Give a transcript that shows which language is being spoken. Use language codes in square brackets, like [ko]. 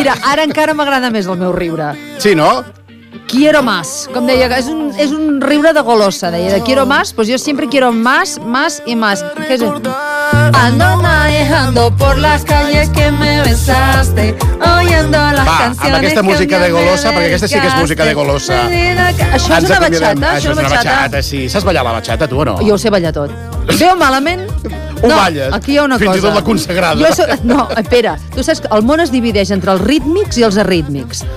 [ca] Mira, ara encara m'agrada més el meu riure. Sí, no? [es] Quiero más, [ca] com deia, és un riure de golosa, deia, [es] de quiero más, pues yo siempre quiero más, más y más. [ca] Què és? [es] Ando manejando por las calles que me besaste, oyendo las [ca] va, [es] canciones. [ca] Amb aquesta música de golosa, perquè aquesta sí que és música de golosa. Això és una bachata? Això és una bachata, sí. Saps ballar la bachata, tu o no? Jo ho sé ballar tot. Bé o malament? Ho balles. Aquí hi ha una fins cosa. Fins i tot la consagrada. Jo no, espera, tu saps que el món es divideix entre els rítmics i els arrítmics.